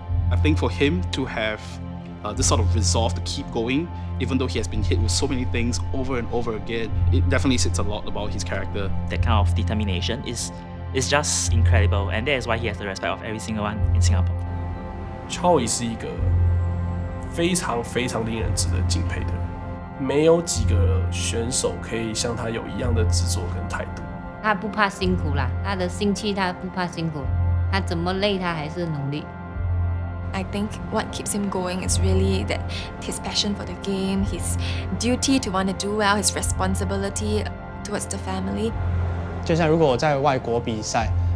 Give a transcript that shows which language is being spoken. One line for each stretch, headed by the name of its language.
Chinese: I think for him to have this sort of resolve to keep going, even though he has been hit with so many things over and over again, it definitely says a lot about his character. That kind of determination is just incredible, and that is why he has the respect of every single one in Singapore. Chawy 是一个非常非常令人值得敬佩的人，没有几个选手可以像他有一样的执着跟态度。他不怕辛苦啦，他的心气他不怕辛苦，他怎么累他还是努力。
English: I think what keeps him going is really that his passion for the game, his duty to want to do well, his responsibility towards the family.
Chinese: 就像如果我在外国比赛。